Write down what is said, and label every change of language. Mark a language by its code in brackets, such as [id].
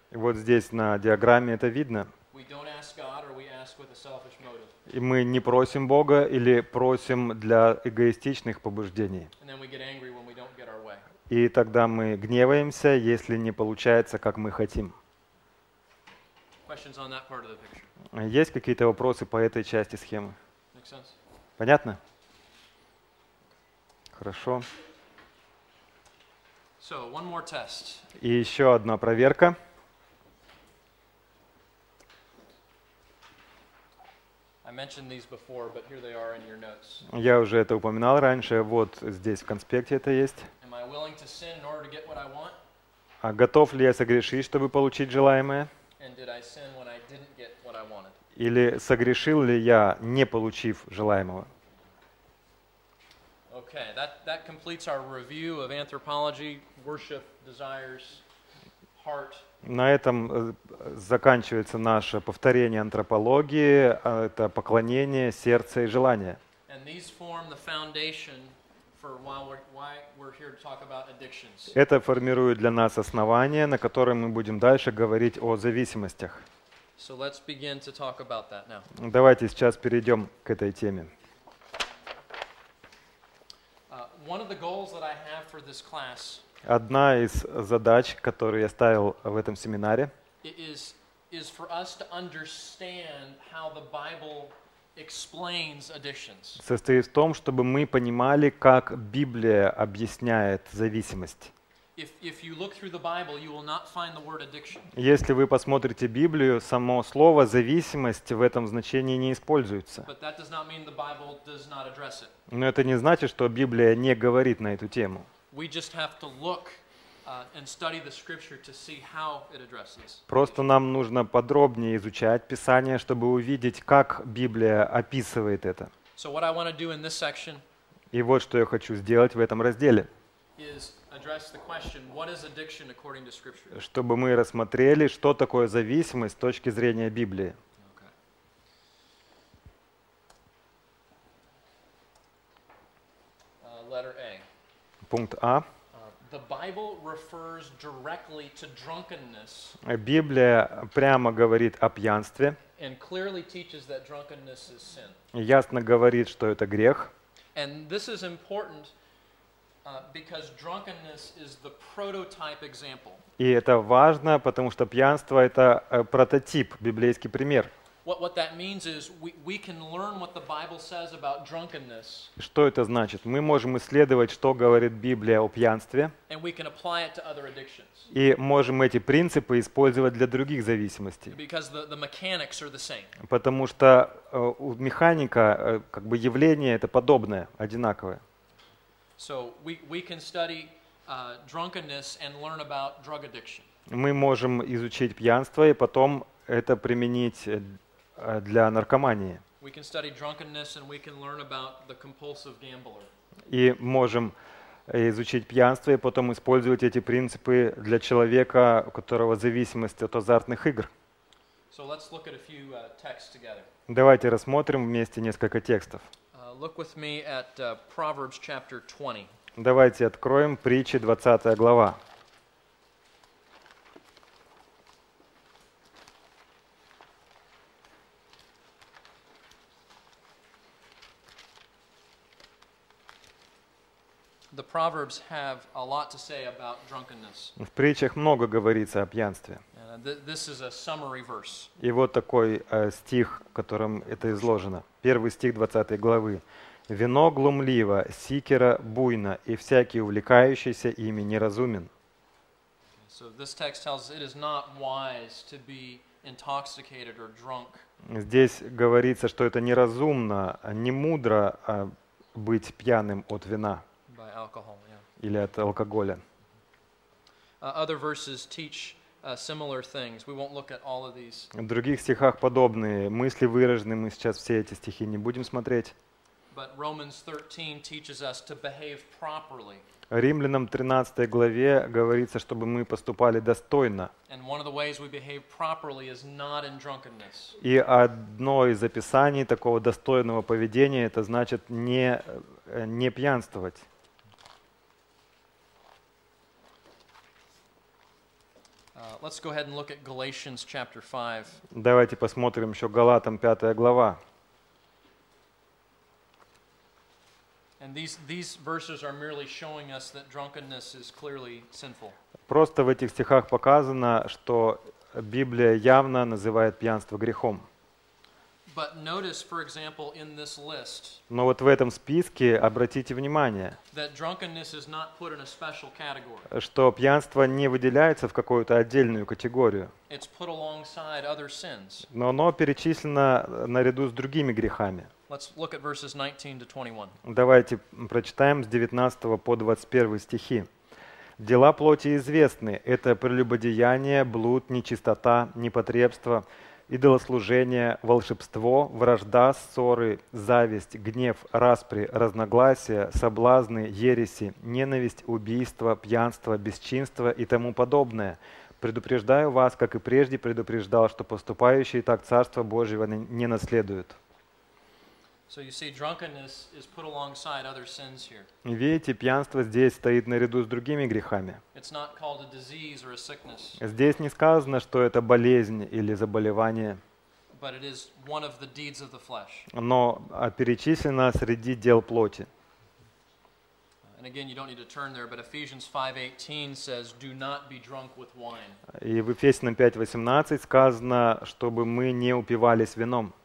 [ru] И вот здесь на диаграмме это видно. [en] We don't ask God, or we ask with a selfish motive. [ru] И мы не просим Бога или просим для эгоистичных побуждений. [en] And then we get angry when we don't get our way. [ru] И тогда мы гневаемся, если не получается, как мы хотим. [en] Questions on that part of the picture. [ru] Есть какие-то вопросы по этой части схемы? Понятно? Хорошо. [en] So, one more test. [ru] И еще одна проверка. [en] I mentioned these before, but here they are in your notes. [ru] Я уже это упоминал раньше, вот здесь в конспекте это есть. [en] Am I willing to sin in order to get what I want? [ru] А готов ли я согрешить, чтобы получить желаемое? [en] And did I sin when I didn't get what I wanted? [ru] Или согрешил ли я, не получив желаемого? [en] Okay, that completes our review of anthropology, worship, desires, heart. [ru] На этом заканчивается наше повторение антропологии, это поклонение, сердце и желание. [en] And these form the foundation for why we're here to talk about addictions. [ru] Это формирует для нас основание, на котором мы будем дальше говорить о зависимостях. [en] So let's begin to talk about that now. [ru] Давайте сейчас перейдем к этой теме. [en] One of the goals that I have for this class. [ru] Одна из задач, которую я ставил в этом семинаре. [en] Is for us to understand how the Bible explains addictions. [ru] Состоит в том, чтобы мы понимали, как Библия объясняет зависимость. [en] If you look through the Bible, you will not find the word addiction. [ru] Если вы посмотрите Библию, само слово зависимость в этом значении не используется. [en] But that does not mean the Bible does not address it. [ru] Но это не значит, что Библия не говорит на эту тему. [en] We just have to look and study the scripture to see how it addresses. [ru] Просто нам нужно подробнее изучать Писание, чтобы увидеть, как Библия описывает это. [en] So what I want to do in this section. [ru] И вот что я хочу сделать в этом разделе. [en] Is address the question, what is addiction according to scripture? [ru] Чтобы мы рассмотрели, что такое зависимость с точки зрения Библии. [en] Letter A. [ru] Пункт А. [en] The Bible refers directly to drunkenness. [ru] Библия прямо говорит о пьянстве. [en] And clearly teaches that drunkenness is sin. [ru] Ясно говорит, что это грех. [en] And this is important because drunkenness is the prototype example. [ru] И это важно, потому что пьянство это прототип, библейский пример. [en] What that means is we can learn what the Bible says about drunkenness. [ru] Что это значит? Мы можем исследовать, что говорит Библия о пьянстве. [en] And we can apply it to other addictions. [ru] И можем эти принципы использовать для других зависимостей. [en] Because the mechanics are the same. [ru] Потому что механика, как бы явление это подобное, одинаковое. [en] So we can study drunkenness and learn about drug addiction. [ru] Мы можем изучить пьянство и потом это применить для наркомании. [en] We can study drunkenness and we can learn about the compulsive gambler. [ru] И можем изучить пьянство и потом использовать эти принципы для человека, у которого зависимость от азартных игр. [en] So let's look at a few texts together. [ru] Давайте рассмотрим вместе несколько текстов. [en] Look with me at Proverbs chapter 20. [ru] Давайте откроем притчи 20 глава. [en] The proverbs have a lot to say about drunkenness. [ru] В притчах много говорится о пьянстве. [en] This is a summary verse. [ru] И вот такой стих, в котором это изложено. Первый стих 20 главы. Вино глумливо, сикера буйно, и всякий увлекающийся ими неразумен. [en] So this text tells it is not wise to be intoxicated or drunk. [ru] Здесь говорится, что это неразумно, не мудро быть пьяным от вина. [en] By alcohol, yeah. [ru] Или от алкоголя. [en] Other verses teach similar things. We won't look at all of these. [ru] В других стихах подобные мысли выражены. Мы сейчас все эти стихи не будем смотреть. [en] But Romans 13 teaches us to behave properly. [ru] Римлянам 13 главе говорится, чтобы мы поступали достойно. [en] And one of the ways we behave properly is not in drunkenness. [ru] И одно из описаний такого достойного поведения это значит не пьянствовать. [en] Let's go ahead and look at Galatians chapter 5. [ru] Давайте посмотрим еще Галатам 5 глава. [en] And these verses are merely showing us that drunkenness is clearly sinful. [ru] Просто в этих стихах показано, что Библия явно называет пьянство грехом. [en] But notice, for example, in this list. [ru] Но вот в этом списке обратите внимание, [en] that drunkenness is not put in a special category. [ru] Что пьянство не выделяется в какую-то отдельную категорию. [en] It's put alongside other sins. [ru] Но оно перечислено наряду с другими грехами. [en] Let's look at verses 19 to 21. [ru] Давайте прочитаем с 19 по 21 стихи. Дела плоти известны: это прелюбодеяние, блуд, нечистота, непотребство, идолослужение, волшебство, вражда, ссоры, зависть, гнев, распри, разногласия, соблазны, ереси, ненависть, убийство, пьянство, бесчинство и тому подобное. Предупреждаю вас, как и прежде предупреждал, что поступающие так Царство Божьего не наследуют. [en] So you see, drunkenness is put alongside other sins here. [ru] Видите, пьянство здесь стоит наряду с другими грехами. [en] It's not called a disease or a sickness. [ru] Здесь не сказано, что это болезнь или заболевание. [en] But it is one of the deeds of the flesh. [ru] Но перечислено среди дел плоти. [en] And again, you don't need to turn there, but Ephesians 5:18 says, "Do not be drunk with wine." [ru] И в Ефесянам 5:18 сказано, чтобы мы не упивались вином.